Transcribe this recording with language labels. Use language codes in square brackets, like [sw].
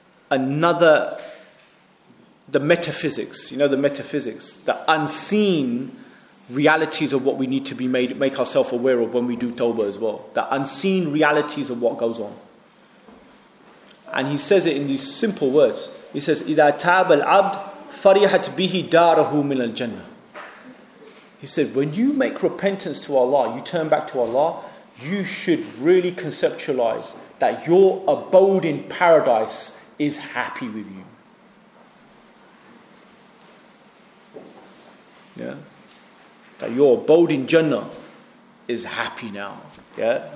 [en] Another, the metaphysics, you know, the metaphysics, the unseen realities of what we need to be made, make ourselves aware of when we do tawbah as well. The unseen realities of what goes on. And he says it in these simple words. He says, [ar] إِذَا تَابَ الْعَبْدُ فَرِيحَتْ بِهِ دَارَهُ مِنَ الْجَنَّةِ. [en] He said, when you make repentance to Allah, you turn back to Allah, you should really conceptualize that your abode in paradise is happy with you. Yeah? That your abode in Jannah is happy now. Yeah?